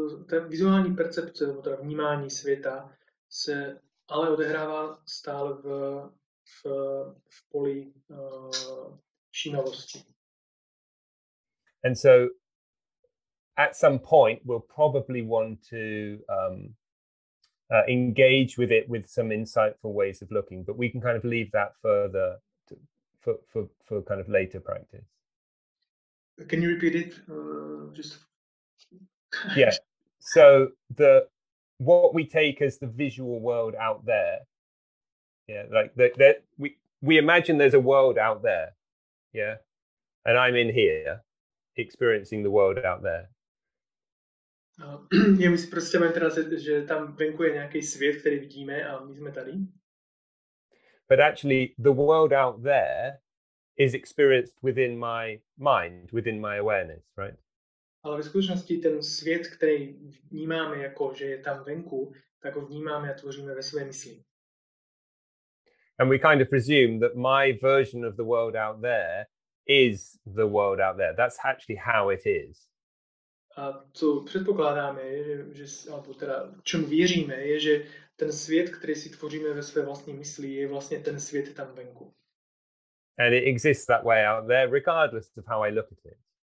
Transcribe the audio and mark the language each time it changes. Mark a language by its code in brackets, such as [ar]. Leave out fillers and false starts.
[cs] Ta vizuální percepce, teda vnímání světa, se ale odehrává stále v poli všímavosti. [en] And so at some point, we'll probably want to engage with it with some insightful ways of looking, but we can kind of leave that further to, for kind of later practice. Can you repeat it? Just yeah. So the what we take as the visual world out there, yeah, like that we imagine there's a world out there, yeah, and I'm in here experiencing the world out there. [cs] My si představujeme teda, že tam venku je nějaký svět, který vidíme a my jsme tady. [en] But actually the world out there is experienced within my mind, within my awareness, right? [cs] Ale ve skutečnosti ten svět, který vnímáme jako, že je tam venku, tak ho vnímáme a tvoříme ve své mysli. [en] And we kind of presume that my version of the world out there is the world out there. That's actually how it is. [cs] A co předpokládáme, že nebo teda čemu věříme, je, že ten svět, který si tvoříme ve své vlastní mysli, je vlastně ten svět tam venku. [en] And it exists that way out there, regardless of how I look at it.